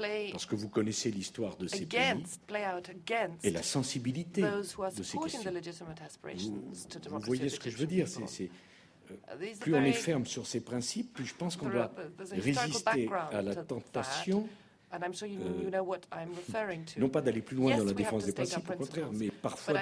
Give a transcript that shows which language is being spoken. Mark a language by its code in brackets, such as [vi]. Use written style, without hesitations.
[fr] Parce que vous connaissez l'histoire de ces pays et la sensibilité de ces questions. Vous voyez ce que je veux dire. Plus on est ferme sur ces principes, plus je pense qu'on doit résister à la tentation. [en] And I'm sure you know what I'm referring to. [fr] Non pas d'aller plus loin dans la défense des principes, au contraire, mais parfois